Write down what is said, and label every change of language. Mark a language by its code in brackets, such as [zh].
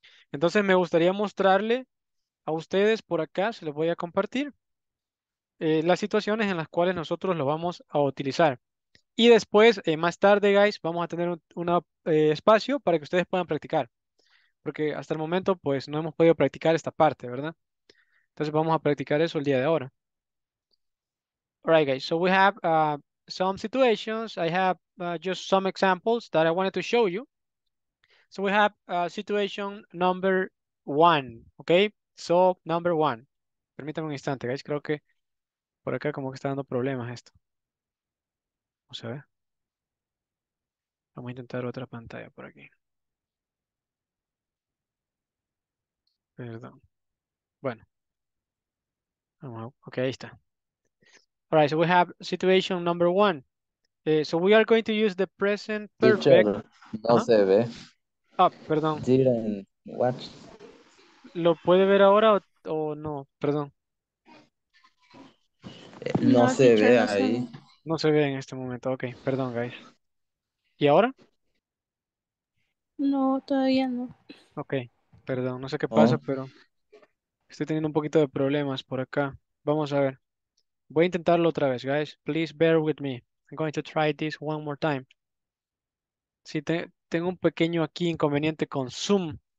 [es] Entonces, me gustaría mostrarle a ustedes por acá, se los voy a compartir, las situaciones en las cuales nosotros lo vamos a utilizar. Y después, más tarde, guys, vamos a tener un espacio para que ustedes puedan practicar. Porque hasta el momento, pues, no hemos podido practicar esta parte, ¿verdad? Entonces, vamos a practicar eso el día de ahora. [en] All right, guys, so we have some situations. I have just some examples that I wanted to show you. So we have situation number one, okay? So, number one. [es] Permítanme un instante, [en] guys. [es] Creo que por acá como que está dando problemas esto. Vamos a ver. Vamos a intentar otra pantalla por aquí. Perdón. Bueno. Vamos a... Ok, ahí está. [en] All right, so we have situation number one. So we are going to use the present perfect. [es] No se ve. Ah, oh, perdón. [en] Didn't watch. [es] ¿Lo puede ver ahora o no? Perdón. No, no se ve ahí. No se ve en este momento. Ok, perdón, guys. ¿Y ahora? No, todavía no. Ok, perdón. No sé qué pasa, pero estoy teniendo un poquito de problemas por acá. Vamos a ver. Voy a intentarlo otra vez, guys. [en] Please bear with me. I'm going to try this one more time. [es] Sí, tengo un pequeño aquí inconveniente con Zoom.